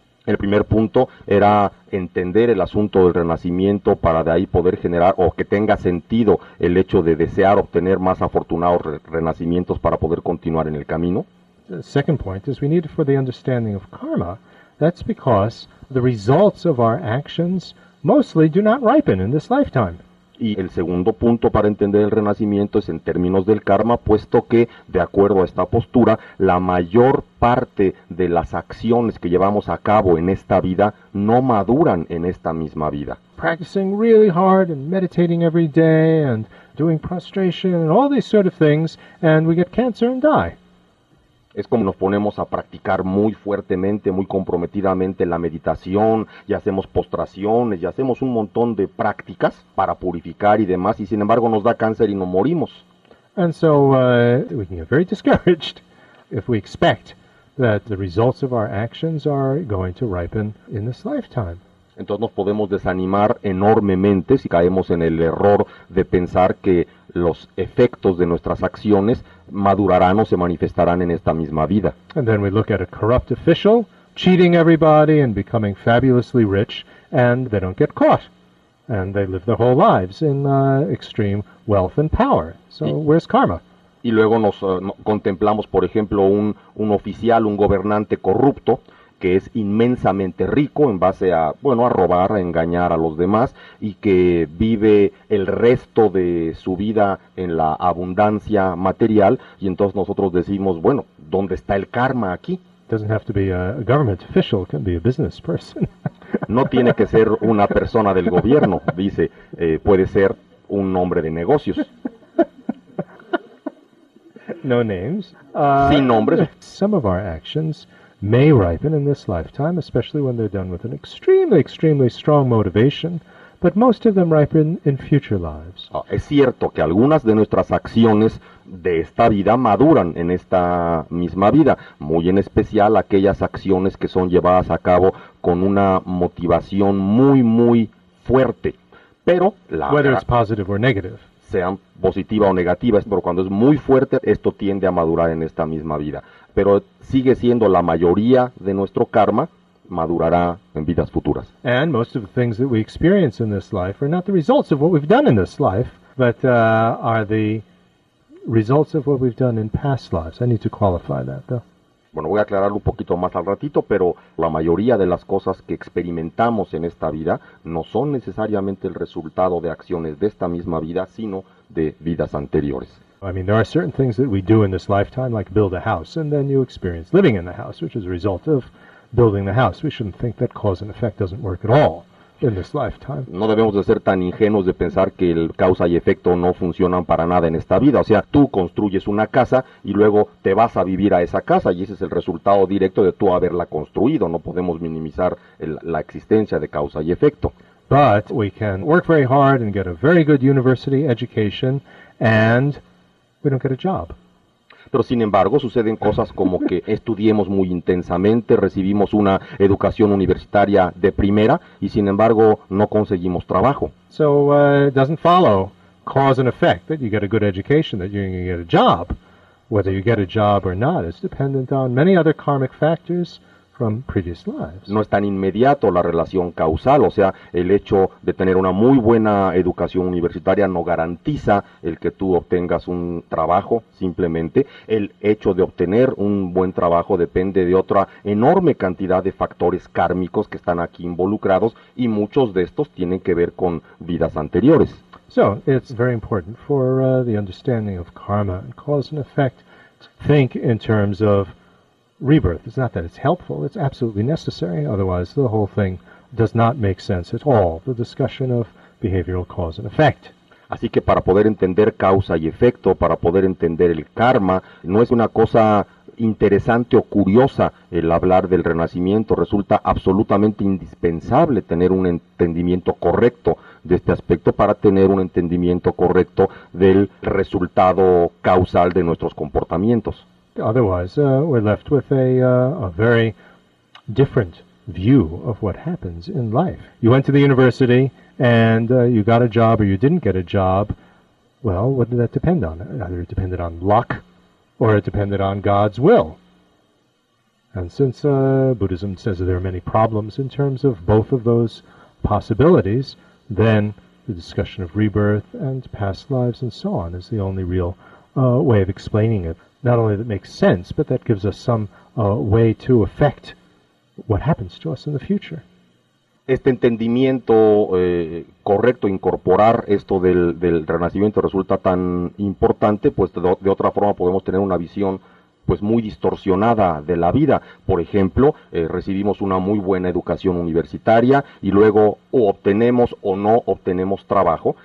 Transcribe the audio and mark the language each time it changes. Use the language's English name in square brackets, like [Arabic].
[Spanish] El primer punto era entender el asunto del renacimiento para de ahí poder generar o que tenga sentido el hecho de desear obtener más afortunados renacimientos para poder continuar en el camino. [English] The second point is we need it for the understanding of karma. That's because the results of our actions mostly do not ripen in this lifetime. [Spanish] Y el segundo punto para entender el renacimiento es en términos del karma, puesto que, de acuerdo a esta postura, la mayor parte de las acciones que llevamos a cabo en esta vida no maduran en esta misma vida. [English] Practicing really hard and meditating every day and doing prostration and all these sort of things, and we get cancer and die. [Spanish] Es como nos ponemos a practicar muy fuertemente, muy comprometidamente la meditación, y hacemos postraciones, y hacemos un montón de prácticas para purificar y demás, y sin embargo nos da cáncer y nos morimos. [English] And so we can get very discouraged if we expect that the results of our actions are going to ripen in this lifetime. [Spanish] Entonces nos podemos desanimar enormemente si caemos en el error de pensar que los efectos de nuestras acciones madurarán o se manifestarán en esta misma vida. [English] And then we look at a corrupt official cheating everybody and becoming fabulously rich, and they don't get caught, and they live their whole lives in extreme wealth and power. So where's karma? [Spanish] y luego nos contemplamos, por ejemplo, un oficial, un gobernante corrupto, que es inmensamente rico en base a, bueno, a robar, a engañar a los demás, y que vive el resto de su vida en la abundancia material, y entonces nosotros decimos, bueno, ¿dónde está el karma aquí? [English] Doesn't have to be a government official, it can be a business person. [Spanish] No tiene que ser una persona del gobierno, dice, puede ser un hombre de negocios. [English] No names. [Spanish] Sin nombres. [English] Some of our actions may ripen in this lifetime, especially when they're done with an extremely, extremely strong motivation, but most of them ripen in future lives. [Spanish] Es cierto que algunas de nuestras acciones de esta vida maduran en esta misma vida, muy en especial aquellas acciones que son llevadas a cabo con una motivación muy, muy fuerte. Pero la [English] whether it's positive or negative, [Spanish] sean positiva o negativa, pero cuando es muy fuerte, esto tiende a madurar en esta misma vida. Pero sigue siendo la mayoría de nuestro karma madurará en vidas futuras. [English] And most of the things that we experience in this life are not the results of what we've done in this life, but are the results of what we've done in past lives. I need to qualify that, though. [Spanish] Bueno, voy a aclararlo un poquito más al ratito, pero la mayoría de las cosas que experimentamos en esta vida no son necesariamente el resultado de acciones de esta misma vida, sino de vidas anteriores. [English] I mean, there are certain things that we do in this lifetime, like build a house, and then you experience living in the house, which is a result of building the house. We shouldn't think that cause and effect doesn't work at all in this lifetime. [Spanish] No debemos de ser tan ingenuos de pensar que el causa y efecto no funcionan para nada en esta vida. O sea, tú construyes una casa y luego te vas a vivir a esa casa y ese es el resultado directo de tú haberla construido. No podemos minimizar la existencia de causa y efecto. [English] But we can work very hard and get a very good university education and we don't get a job. [Spanish] Pero sin embargo, suceden cosas como que estudiemos muy intensamente, recibimos una educación universitaria de primera y sin embargo no conseguimos trabajo. [English] So it doesn't follow cause and effect that you get a good education, that you're going to get a job. Whether you get a job or not is dependent on many other karmic factors from previous lives. [Spanish] No es tan inmediato la relación causal, o sea, el hecho de tener una muy buena educación universitaria no garantiza el que tú obtengas un trabajo, simplemente. El hecho de obtener un buen trabajo depende de otra enorme cantidad de factores kármicos que están aquí involucrados y muchos de estos tienen que ver con vidas anteriores. [English] So, it's very important for the understanding of karma and cause and effect to think in terms of rebirth. It's not that it's helpful, it's absolutely necessary, otherwise the whole thing does not make sense at all, the discussion of behavioral cause and effect. [Spanish] Así que para poder entender causa y efecto, para poder entender el karma, no es una cosa interesante o curiosa el hablar del renacimiento, resulta absolutamente indispensable tener un entendimiento correcto de este aspecto para tener un entendimiento correcto del resultado causal de nuestros comportamientos. [English] Otherwise, we're left with a very different view of what happens in life. You went to the university and you got a job or you didn't get a job. Well, what did that depend on? Either it depended on luck or it depended on God's will. And since Buddhism says that there are many problems in terms of both of those possibilities, then the discussion of rebirth and past lives and so on is the only real way of explaining it. Not only that makes sense, but that gives us some way to affect what happens to us in the future. [Spanish] Este entendimiento correcto, incorporar esto del renacimiento resulta tan importante, pues de otra forma podemos tener una visión pues muy distorsionada de la vida. Por ejemplo, recibimos una muy buena educación universitaria y luego o obtenemos o no obtenemos trabajo.